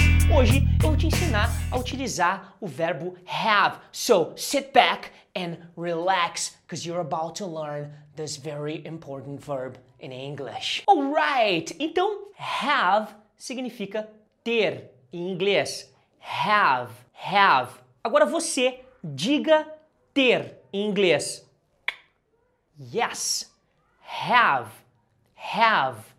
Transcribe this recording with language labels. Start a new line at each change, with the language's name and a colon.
Portuguese: Hoje eu vou te ensinar a utilizar o verbo have.
English: So sit back and relax, because you're about to learn this very important verb in English. All right,
Portuguese: então have significa ter em inglês. Have, have. Agora você diga ter em inglês.
English: Yes, have, have.